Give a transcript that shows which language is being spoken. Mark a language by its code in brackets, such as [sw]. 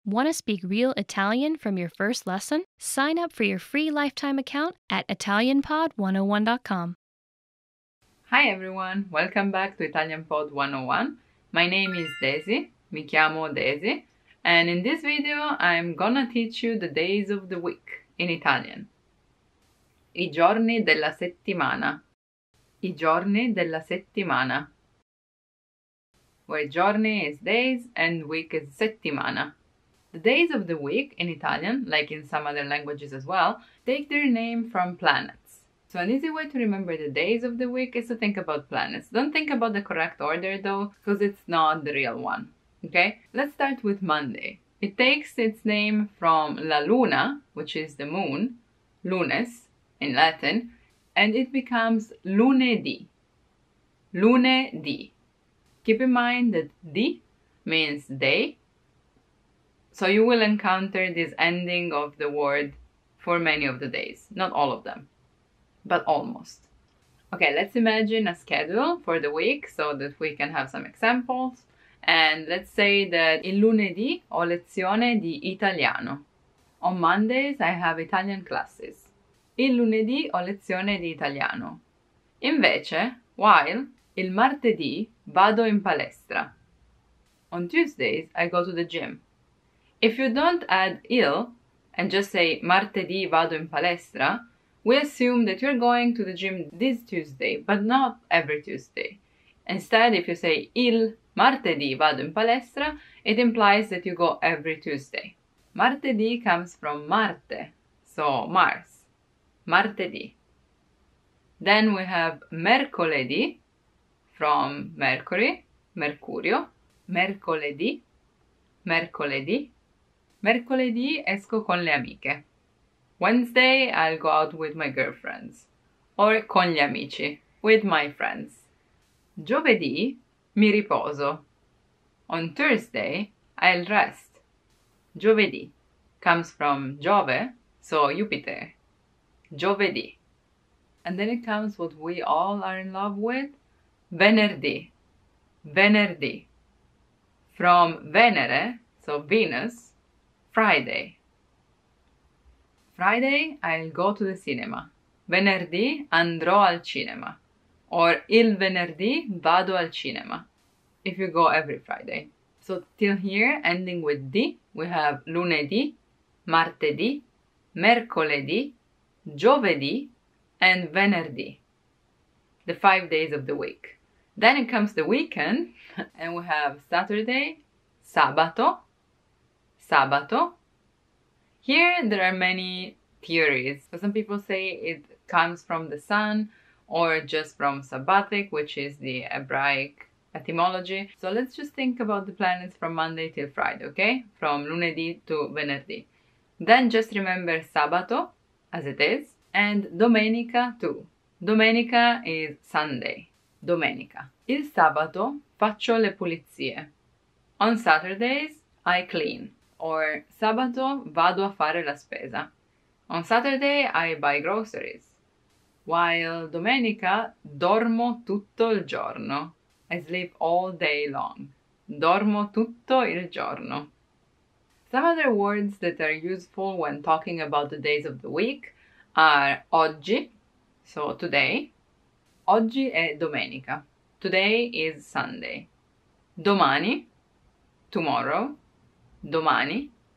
[en] Want to speak real Italian from your first lesson? Sign up for your free lifetime account at ItalianPod101.com. Hi everyone, welcome back to ItalianPod 101. My name is Daisy, [it] mi chiamo Daisy, [en] and in this video I'm gonna teach you the days of the week in Italian. [it] I giorni della settimana. I giorni della settimana. [en] Where giorni is days and week is settimana. The days of the week in Italian, like in some other languages as well, take their name from planets. So an easy way to remember the days of the week is to think about planets. Don't think about the correct order though, because it's not the real one, okay? Let's start with Monday. It takes its name from la luna, which is the moon, lunes in Latin, and it becomes lunedì. Lunedì. Keep in mind that di means day, so you will encounter this ending of the word for many of the days. Not all of them, but almost. Okay, let's imagine a schedule for the week so that we can have some examples. And let's say that [it] il lunedì ho lezione di italiano. [en] On Mondays, I have Italian classes. [it] Il lunedì ho lezione di italiano. Invece, [en] while, [it] il martedì vado in palestra. [en] On Tuesdays, I go to the gym. If you don't add il and just say [it] martedì vado in palestra, [en] we assume that you're going to the gym this Tuesday, but not every Tuesday. Instead, if you say [it] il martedì vado in palestra, [en] it implies that you go every Tuesday. Martedì comes from Marte, so Mars. Martedì. Then we have mercoledì from Mercury, Mercurio. [it] Mercoledì, mercoledì. Mercoledì esco con le amiche. [en] Wednesday I'll go out with my girlfriends. [it] Or con gli amici, [en] with my friends. [it] Giovedì mi riposo. [en] On Thursday I'll rest. Giovedì comes from Giove, so Jupiter. Giovedì. And then it comes what we all are in love with. Venerdì. Venerdì. From Venere, so Venus. Friday. Friday, I'll go to the cinema. [it] Venerdì, andrò al cinema. Or il venerdì, vado al cinema. [en] If you go every Friday. So till here, ending with D, we have lunedì, martedì, mercoledì, giovedì, and venerdì. The 5 days of the week. Then it comes the weekend, and we have Saturday, sabato, sabato. Here there are many theories. So some people say it comes from the sun or just from sabbatic, which is the Hebraic etymology. So let's just think about the planets from Monday till Friday, okay? From lunedì to venerdì. Then just remember sabato, as it is, and domenica too. Domenica is Sunday. Domenica. [it] Il sabato faccio le pulizie. [en] On Saturdays, I clean. [it] Or sabato vado a fare la spesa. [en] On Saturday I buy groceries. While [it] domenica dormo tutto il giorno. [en] I sleep all day long. [it] Dormo tutto il giorno. [en] Some other words that are useful when talking about the days of the week are oggi, so today. [it] Oggi è domenica. [en] Today is Sunday. [it] Domani, tomorrow. Domani.